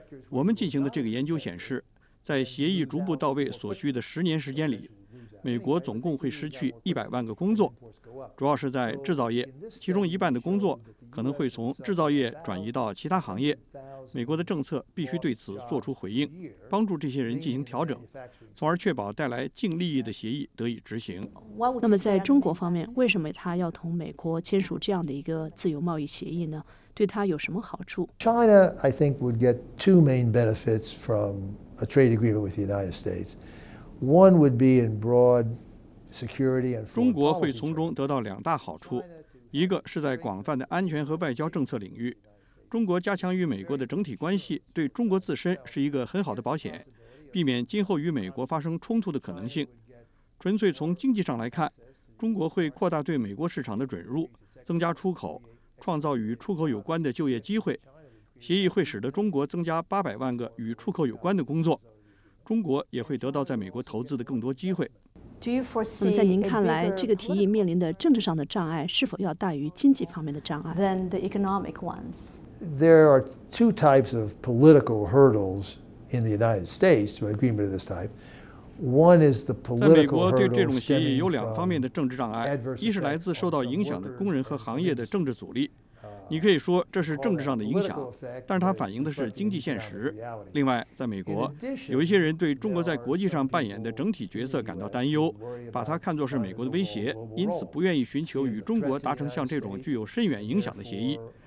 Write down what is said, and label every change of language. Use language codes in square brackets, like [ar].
[zh] 我们进行的这个研究显示，在协议逐步到位所需的10年时间里，美国总共会失去100万个工作，主要是在制造业，其中一半的工作可能会从制造业转移到其他行业。美国的政策必须对此做出回应，帮助这些人进行调整，从而确保带来净利益的协议得以执行。那么在中国方面，为什么他要同美国签署这样的一个自由贸易协议呢？对他有什么好处？ [en] China, I think, would get two main benefits from a trade agreement with the United States. One would be in broad security and. [zh] 中国会从中得到两大好处，一个是在广泛的安全和外交政策领域，中国加强与美国的整体关系，对中国自身是一个很好的保险，避免今后与美国发生冲突的可能性。纯粹从经济上来看，中国会扩大对美国市场的准入，增加出口，创造与出口有关的就业机会。协议会使得中国增加800万个与出口有关的工作。中国也会得到在美国投资的更多机会。那么在您看来，这个提议面临的政治上的障碍是否要大于经济方面的障碍？ [en] Than the economic ones. There are two types of political hurdles in the United States to an agreement of this type. One is the political hurdles. [zh] 在美国对这种协议有两方面的政治障碍，一是来自受到影响的工人和行业的政治阻力，你可以说这是政治上的影响，但是它反映的是经济现实。另外，在美国，有一些人对中国在国际上扮演的整体角色感到担忧，把它看作是美国的威胁，因此不愿意寻求与中国达成像这种具有深远影响的协议。